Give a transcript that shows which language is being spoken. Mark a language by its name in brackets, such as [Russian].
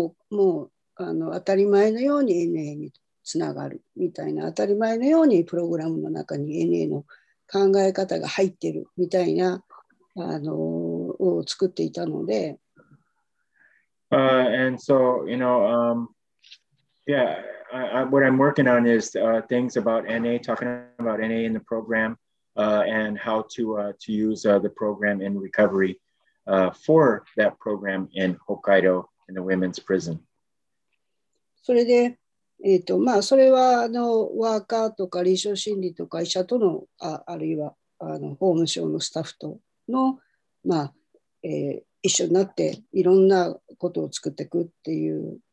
[Japanese] もう当たり前のように NA につながるみたいな、当たり前のようにプログラムの中に NA の考え方が入ってるみたいな、を作っていたので。 [English] And so, you know, what I'm working on is things about NA, talking about NA in the program, and how to use the program in recovery for that program in Hokkaido in the women's prison. [Japanese] それで、それはワーカーとか臨床心理とか医者との、あるいは法務省のスタッフとの、一緒になっていろんなことを作っていくっていう。